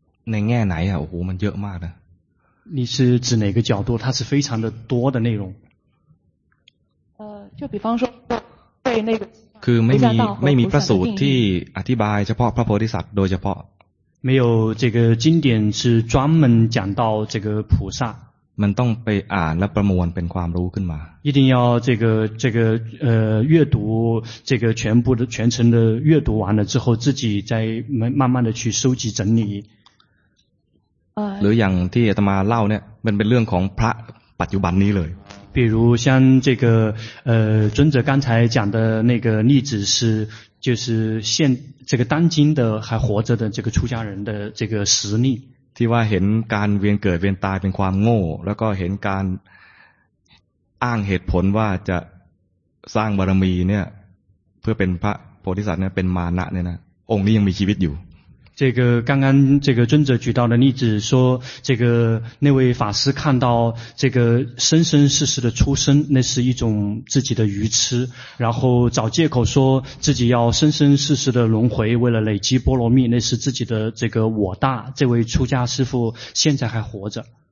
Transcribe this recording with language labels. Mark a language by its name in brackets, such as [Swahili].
[Thai] ในแง่ไหนอ่ะโอ้โหมันเยอะมากนะ [Chinese] 你是指哪个角度它是非常的多的内容就比方说对那个 [Thai] คือไม่มีพระสูตรที่อธิบายเฉพาะพระโพธิสัตว์โดยเฉพาะ [Chinese] 没有这个经典是专门讲到这个菩萨 [Thai] มันต้องไปอ่านและประมวลเป็นความรู้ขึ้นมา [Chinese] 一定要这个阅读这个全部的全程的阅读完了之后自己再慢慢的去收集整理 [Thai] หรืออย่างที่อาตมาเล่าเนี่ยมันเป็นเรื่องของพระปัจจุบันนี้เลย [Chinese] 比如像这个尊者刚才讲的那个例子是就是现这个当今的还活着的这个出家人的这个实例 [Thai] ที่ว่าเห็นการเวียนเกิดเวียนตายเป็นความโง่แล้วก็เห็นการอ้างเหตุผลว่าจะสร้างบารมีเนี่ยเพื่อเป็นพระโพธิสัตว์เนี่ยเป็นมานะเนี่ยนะองค์นี้ยังมีชีวิตอยู่ [Chinese] 这个刚刚这个尊者举到的例子说这个那位法师看到这个生生世世的出生那是一种自己的愚痴然后找借口说自己要生生世世的轮回为了累积波罗蜜那是自己的这个我大这位出家师父现在还活着